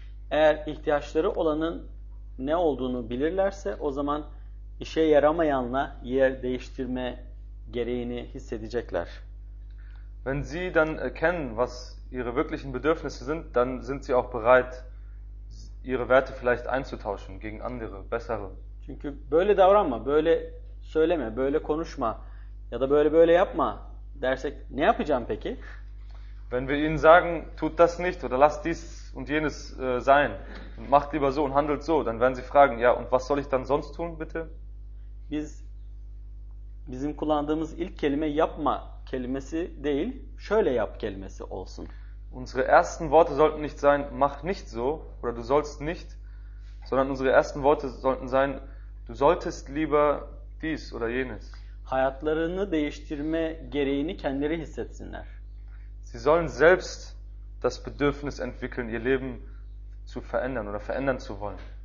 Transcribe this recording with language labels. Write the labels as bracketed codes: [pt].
[tr] Eğer ihtiyaçları olanın ne olduğunu bilirlerse, o zaman işe yaramayanla yer değiştirme gereğini hissedecekler. [de] Wenn sie dann erkennen, was ihre wirklichen Bedürfnisse sind, dann sind sie auch bereit, ihre Werte vielleicht einzutauschen gegen andere, bessere. [tr] Çünkü böyle davranma, böyle söyleme, böyle konuşma ya da böyle böyle yapma dersek ne yapacağım peki? [de] Wenn wir ihnen sagen, tut das nicht oder lass dies und jenes sein, macht lieber so und handelt so, dann werden sie fragen, ja und was soll ich dann sonst tun bitte? [tr] Bizim kullandığımız ilk kelime yapma kelimesi değil, şöyle yap kelimesi olsun. [de] Unsere ersten Worte sollten nicht sein, mach nicht so oder du sollst nicht, sondern unsere ersten Worte sollten sein, du solltest lieber dies oder jenes. [tr] Hayatlarını değiştirme gereğini kendileri hissetsinler. [de] Sie sollen selbst das Bedürfnis entwickeln, ihr Leben zu verändern oder verändern zu wollen.